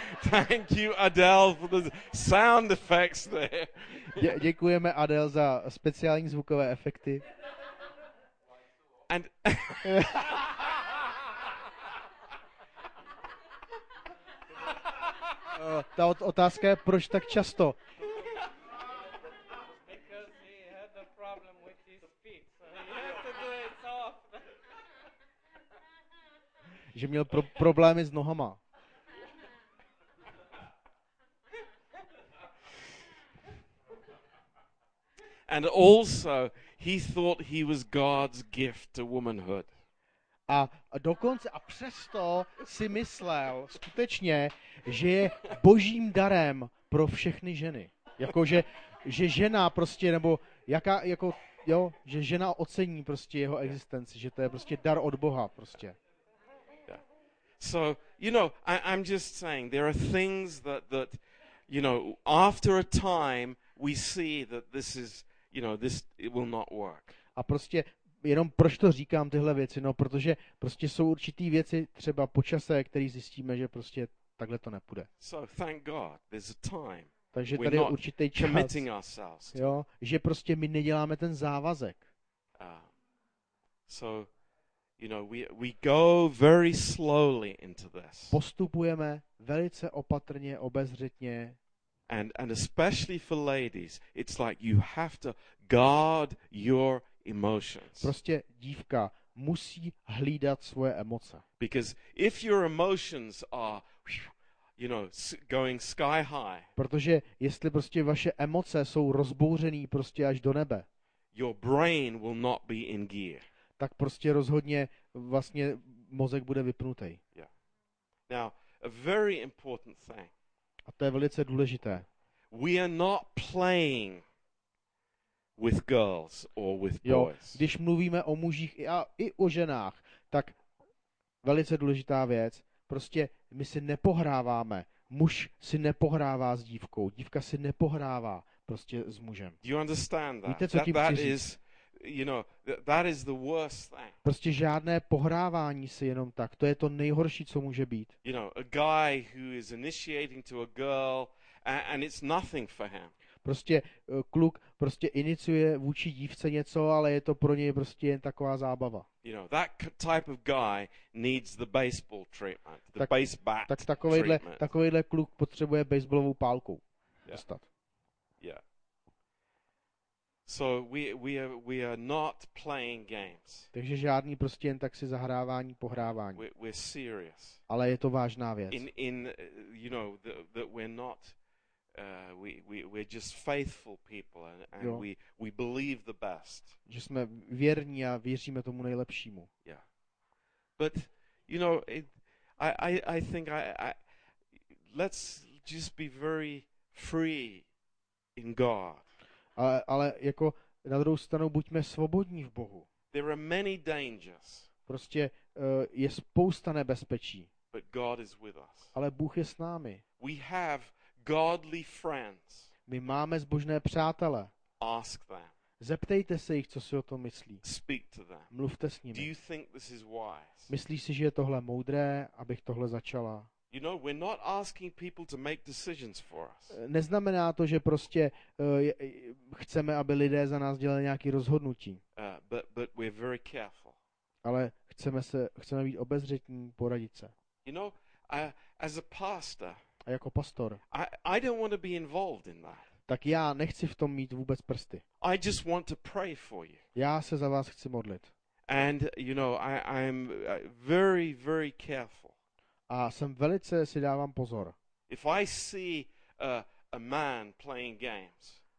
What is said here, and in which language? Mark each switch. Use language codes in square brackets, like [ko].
[en] Thank you Adele for the sound effects there. [cs] Děkujeme Adele za speciální zvukové efekty. [en] And [cs] ta otázka je, proč tak často? Že měl problémy s nohama. [en] And also he thought he was God's gift to womanhood. [cs] A dokonce a přesto si myslel skutečně, že je Božím darem pro všechny ženy. Jakože že žena prostě nebo jaká jako jo, že žena ocení prostě jeho existenci, že to je prostě dar od Boha prostě. [en] So, you know, I'm just saying there are things that you know, after a time we see that this is, you know, this it will not work. [cs] A prostě jenom proč to říkám tyhle věci, no protože prostě jsou určitý věci třeba po čase, který zjistíme, že prostě takhle to nepůjde. [en] So thank God there's a time. [cs] Takže tady je určitý čas. [en] Committing ourselves. [cs] Jo, že prostě my neděláme ten závazek. [en] So you know, we go very slowly into this. [cs] Postupujeme velice opatrně, obezřetně. [en] And especially for ladies, it's like you have to guard your emotions. [cs] Prostě dívka, musí hlídat svoje emoce. [en] Because if your emotions are, you know, going sky high. [cs] Protože jestli prostě vaše emoce jsou rozbouřený prostě až do nebe. [en] Your brain will not be in gear. [cs] Tak prostě rozhodně vlastně mozek bude vypnutý. [en] Yeah. Now, a very important thing. [cs] A to je velice důležité. [en] We are not playing with girls or with boys. [cs] Jo, když mluvíme o mužích i o ženách, tak velice důležitá věc, prostě my si nepohráváme. Muž si nepohrává s dívkou, dívka si nepohrává prostě s mužem. [en] Do you understand that? [cs] Víte, co tím chci říct? [en] Is, you know, that is the worst thing. [cs] Prostě žádné pohrávání si jenom tak, to je to nejhorší, co může být. [en] You know, a guy who is initiating to a girl and it's nothing for him. [cs] Prostě kluk prostě iniciuje vůči dívce něco, ale je to pro něj prostě jen taková zábava. [en] You know, that type of guy needs the baseball treatment, the base bat. [cs] Tak takovejhle kluk potřebuje baseballovou pálku. Dostat. [en] Yeah. So we are not playing games. [cs] Takže žádný prostě jen tak si zahrávání, pohrávání. [en] We're serious. [cs] Ale je to vážná věc. [en] In you know that we're not we're just faithful people and we believe the best. [cs] Že jsme věrní a věříme tomu nejlepšímu. [en] Yeah. But you know I think let's just be very free in God. [cs] Ale jako na druhou stranu buďme svobodní v Bohu. [en] There are many dangers. [cs] Prostě je spousta nebezpečí. [en] But God is with us. [cs] Ale Bůh je s námi. [en] We have godly friends. [cs] My máme zbožné přátele. [en] Ask them. [cs] Zeptejte se jich, co si o tom myslí. [en] Speak to them. [cs] Mluvte s nimi. [en] Do you think this is wise? [cs] Myslíš si, že je tohle moudré, abych tohle začala? [en] You know, we're not asking people to make decisions for us. [cs] Neznamená to, že prostě chceme, aby lidé za nás dělali nějaké rozhodnutí. [en] But we're very careful. [cs] Ale chceme být obezřetní, poradit se. [en] You know, as a pastor. [cs] A jako pastor. [en] I don't want to be involved in that. [cs] Tak já nechci v tom mít vůbec prsty. [en] I just want to pray for you. [cs] Já se za vás chci modlit. [en] And you know, I'm very, very careful. [cs] A jsem velice si dávám pozor. [en] If I see a man playing games.